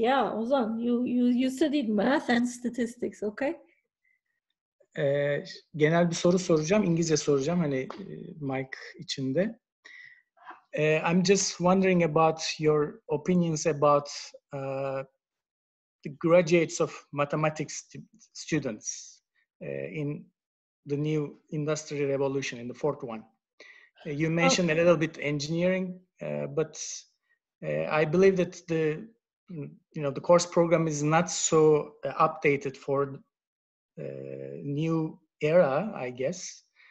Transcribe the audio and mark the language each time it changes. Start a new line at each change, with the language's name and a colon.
English: Yeah, Ozan, you studied math and statistics, okay?
Turkish: Genel bir soru soracağım, İngilizce soracağım hani mic içinde.
English: I'm just wondering about your opinions about the graduates of mathematics students in the new industrial revolution, in the fourth one. You mentioned a little bit engineering, but I believe that the course program is not so updated for new era, I guess.